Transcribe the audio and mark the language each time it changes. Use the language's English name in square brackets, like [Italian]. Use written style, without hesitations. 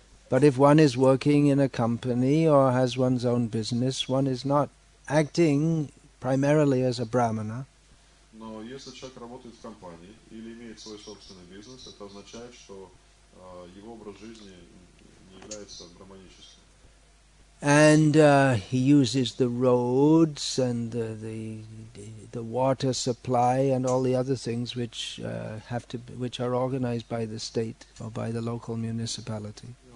[English] But if one is working in a company or has one's own business, one is not acting primarily as a brahmana. [Russian] Но если человек работает в компании или имеет свой собственный бизнес, это означает, что его образ жизни не является брахманическим. [English] And he uses the roads and the water supply and all the other things which are organized by the state or by the local municipality.